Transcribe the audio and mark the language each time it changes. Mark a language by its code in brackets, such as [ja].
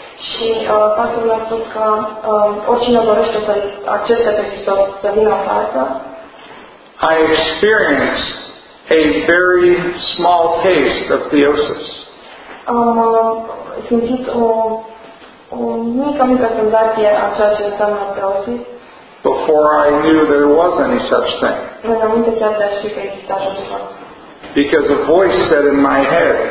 [ro] Și pastorul a spus că oricine dorește să accepte pe Hristos să vină afară. [en] I experienced a very small taste of theosis. [ro] Am simțit o mică senzație a ceea ce înseamnă theosis. [en] Before I knew there was any such thing. [ro] Înainte chiar de a ști că exista așa ceva. [en] Because a voice said in my head,